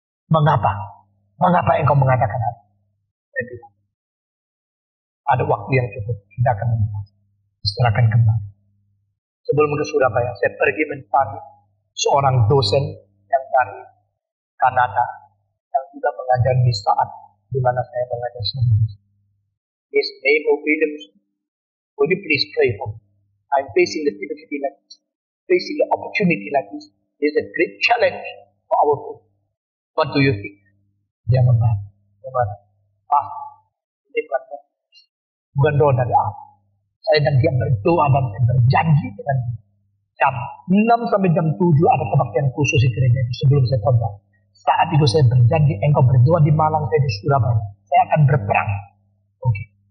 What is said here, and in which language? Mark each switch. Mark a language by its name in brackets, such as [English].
[Indonesian] Mengapa? Mengapa engkau mengatakan hal itu? Ada waktu yang cukup. Kita akan membahas. Serahkan kembali. Sebelum ke Surabaya, saya pergi mencari seorang dosen yang dari Kanada yang sudah mengajar di saat di mana saya mengajar seminggu. [English] His name is Williams. Would you please pray for me? I'm facing the difficulty like this. Facing the opportunity like this is a great challenge for our people. What do you think? [Indonesian] Dia mengatakan, Pak, ini bukan doa dari aku. Saya dan dia berdoa dan saya berjanji dengan jam 6 sampai jam 7 ada kebaktian khusus di gereja sebelum saya khotbah. Saat itu saya berjanji, engkau berdoa di Malang, saya di Surabaya. Saya akan berperang. Oke.